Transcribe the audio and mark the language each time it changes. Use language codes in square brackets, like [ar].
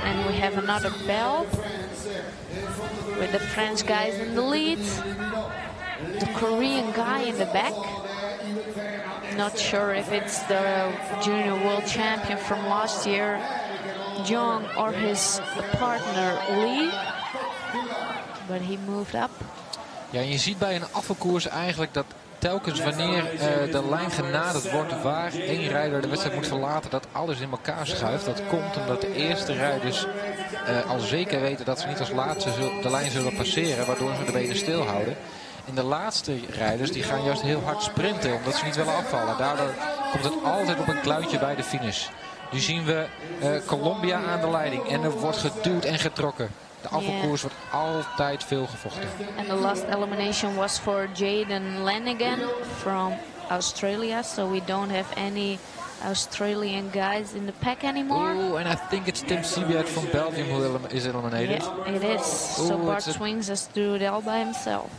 [en] And we have another bell with the French guys in the lead, the Korean guy in the back. Not sure if it's the junior world champion from last year, Jung, or his partner Lee, but he moved up. [nl] Ja, en je ziet bij een afvalkoers eigenlijk dat telkens wanneer de lijn genaderd wordt waar één rijder de wedstrijd moet verlaten, dat alles in elkaar schuift. Dat komt omdat de eerste rijders al zeker weten dat ze niet als laatste de lijn zullen passeren, waardoor ze de benen stilhouden. En de laatste rijders die gaan juist heel hard sprinten omdat ze niet willen afvallen. Daardoor komt het altijd op een kluitje bij de finish. Nu zien we Colombia aan de leiding en er wordt geduwd en getrokken. De afvalkoers wordt altijd veel gevochten. [en] And the last elimination was for Jaden Lanigan from Australia. So we don't have any Australian guys in the pack anymore. Oh, and I think it's Tim Sibiat from Belgium who is eliminated. Yeah, it is. Ooh, so Bart Swings has to do it all by himself.